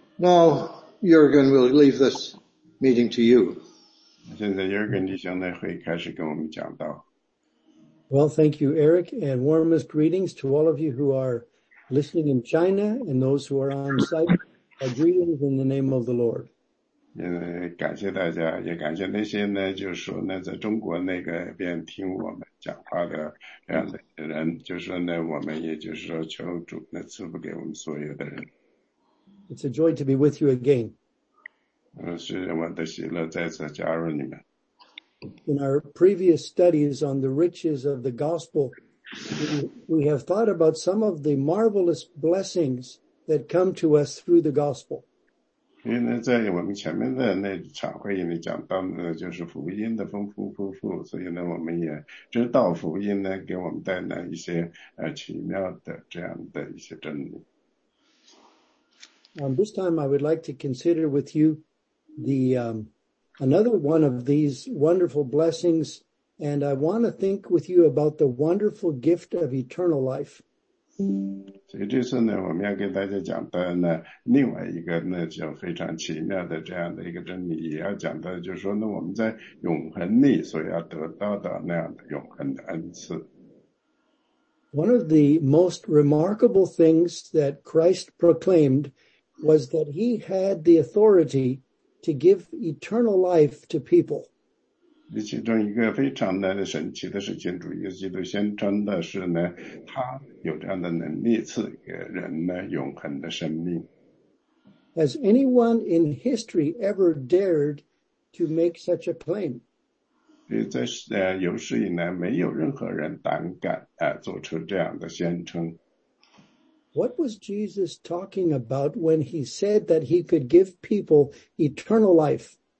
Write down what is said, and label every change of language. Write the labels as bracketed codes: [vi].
[en] Now, Jürgen will leave this meeting to you. [zh] 现在Jürgen弟兄呢会开始跟我们讲道。 [en] Well, thank you, Eric, and warmest greetings to all of you who are listening in China and those who are on site. Our greetings in the name of the Lord. [zh] 感谢大家，也感谢那些呢，就是说呢，在中国那个边听我们讲话的这样的人，就是说呢，我们也就是说求主呢赐福给我们所有的人。 [en] It's a joy to be with you again. [zh] 是我的喜乐再次加入你们。 [en] In our previous studies on the riches of the gospel, we have thought about some of the marvelous blessings that come to us through the gospel. [zh] 因为在我们前面的那场会议里讲到的就是福音的丰富丰富，所以呢，我们也知道福音呢给我们带来一些奇妙的这样的一些真理。 [en] This time I would like to consider with you the another one of these wonderful blessings, and I want to think with you about the wonderful gift of eternal life. [zh] 所以这次呢，我们要跟大家讲的呢，另外一个呢，就非常奇妙的这样的一个真理，也要讲的，就是说呢，我们在永恒里所要得到的那样的永恒的恩赐。 [en] One of the most remarkable things that Christ proclaimed was that he had the authority to give eternal life to people. [zh] 其中一个非常的神奇的事情，主耶稣基督宣称的是呢，他有这样的能力赐给人呢永恒的生命。 [en] Has anyone in history ever dared to make such a claim? [zh] 在有史以来，没有任何人胆敢做出这样的宣称。 [en] What was Jesus talking about when he said that he could give people eternal life?